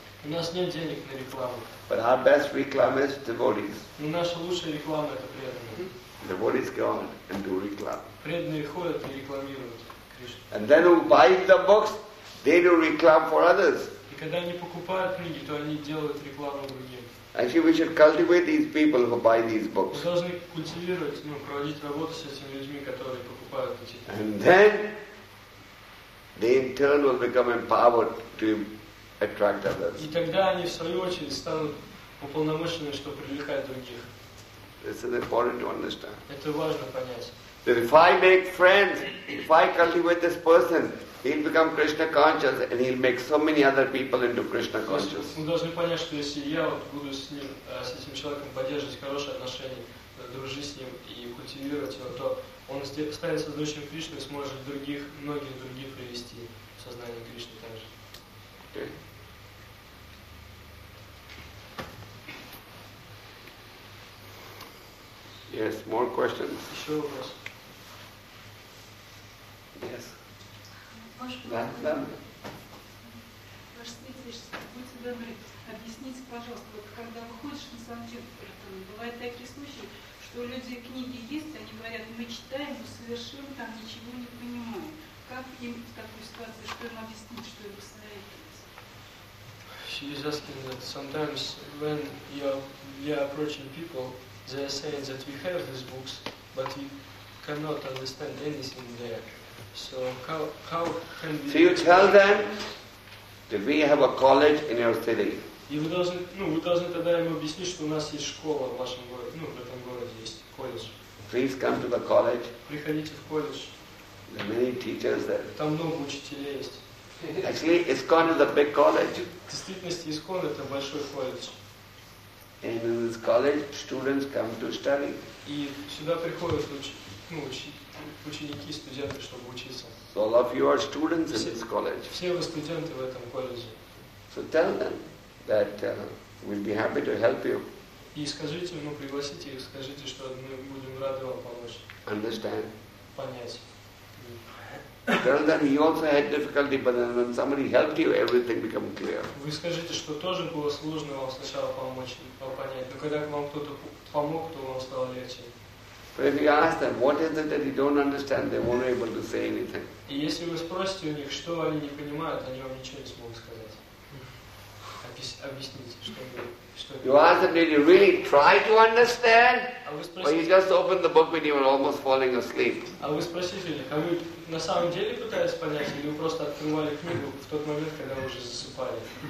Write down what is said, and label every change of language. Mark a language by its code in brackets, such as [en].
[ru] У нас нет денег на рекламу. [en] But our best reklam is devotees. [ru] Но наша лучшая реклама это преданные. [en] Devotees go on and do reklam. [ru] Преданные ходят и рекламируют Кришну. [en] And then who buy the books, they do reklam for others. [ru] И когда они покупают книги, то они делают рекламу другим. [en] Actually, we should cultivate these people who buy these books. [ru] Мы должны культивировать, ну, проводить работу с этими людьми, которые покупают эти книги. [en] And then they in turn will become empowered to attract others. [ru] И тогда они в свою очередь станут уполномоченными, чтобы привлекать других. [en] This is important to understand. [ru] Это важно понять. [en] That if I make friends, if I cultivate this person, he'll become Krishna conscious and he'll make so many other people into Krishna conscious. [ru] Мы должны понять, что если я вот буду с ним, с этим человеком поддерживать хорошие отношения, дружить с ним и культивировать его, то он станет сознанием Кришны и сможет других, многих других привести в сознание Кришны также. [en] Okay. Yes, more questions. [ru] Еще вопрос. [en] Yes. [ru] Да, ваш святейший, будьте добры, объясните, пожалуйста, вот когда выходишь на Санкт-Петербург, там, бывают такие случаи, что у людей книги есть, они говорят, мы читаем, но совершенно там ничего не понимаем. Как им в такой ситуации, что им объяснить, что им посоветовать? [en] She's asking that sometimes when you're approaching people, they're saying that we have these books, but we cannot understand anything there. So how can we... So you tell them that we have a college in your city. [ru] И вы должны, ну, вы должны тогда им объяснить, что у нас есть школа в вашем городе, ну, в этом городе есть колледж. [en] Please come to the college. [ru] Приходите в колледж. [en] There are many teachers there. [ru] Там много учителей есть. [en] Actually, ISKCON is a big college. [ru] В действительности, ISKCON это большой колледж. [en] And in this college, students come to study. [ru] И сюда приходят учить. Ученики, студенты, чтобы учиться. [en] So all of you are students in this college. [ru] Все вы студенты в этом колледже. [en] So tell them that we'll be happy to help you. [ru] И скажите, ну, пригласите их, скажите, что мы будем рады вам помочь. [en] Understand. [ru] Понять. [en] Tell them you also had difficulty, but then when somebody helped you, everything became clear. [ru] Вы скажите, что тоже было сложно вам сначала помочь, понять, но когда к вам кто-то помог, то вам стало легче. [en] But if you ask them, what is it that you don't understand, they won't be able to say anything. [ru] И если вы спросите у них, что они не понимают, они вам ничего не смогут сказать. Объясните, что. [en] You ask them, did you really try to understand? Or you just opened the book when you were almost falling asleep? [ru] А вы спросите у них, а вы на самом деле пытались понять, или вы просто открывали книгу в тот момент, когда вы уже засыпали?